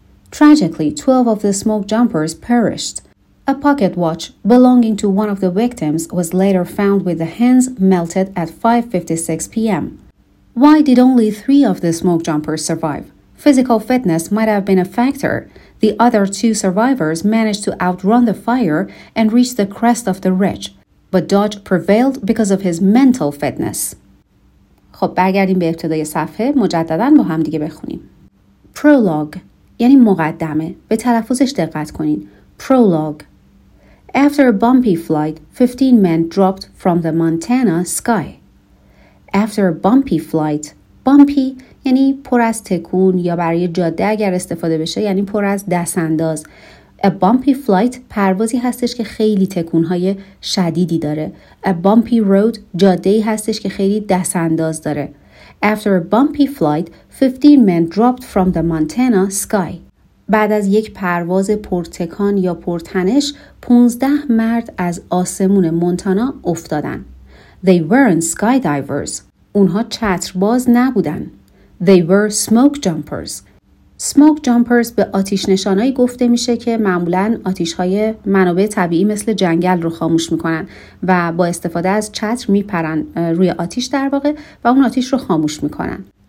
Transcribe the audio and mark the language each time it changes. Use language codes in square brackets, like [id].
[en] Tragically, 12 of the smoke jumpers perished. A pocket watch belonging to one of the victims was later found with the hands melted at 5:56 p.m. Why did only 3 of the smoke jumpers survive? Physical fitness might have been a factor. The other 2 survivors managed to outrun the fire and reach the crest of the ridge. But Dodge prevailed because of his mental fitness. [fa] خب برگردیم به ابتدای صفحه مجدداً با هم دیگه بخونیم. Prologue یعنی مقدمه. به تلفظش دقت کنین. Prologue. [en] After a bumpy flight, 15 men dropped from the Montana sky. After a bumpy flight. [fa] Bumpy یعنی پر از تکون یا برای جاده اگر استفاده بشه یعنی پر از دست انداز. [en] A bumpy flight [fa] پروازی هستش که خیلی تکونهای شدیدی داره. [en] A bumpy road [fa] جاده‌ای هستش که خیلی دست انداز داره. [en] After a bumpy flight, 15 men dropped from the Montana sky. [fa] بعد از یک پرواز پرتکان یا پرتنش 15 مرد از آسمون مونتانا افتادن. [en] They weren't skydivers. [fa] اونها چترباز نبودن. [en] They were smoke jumpers. [fa] Smoke jumpers به آتیش نشانایی گفته میشه که معمولاً آتیش‌های منابع طبیعی مثل جنگل رو خاموش میکنن و با استفاده از چتر میپرن روی آتیش در واقع و اون آتیش رو خاموش میکنن.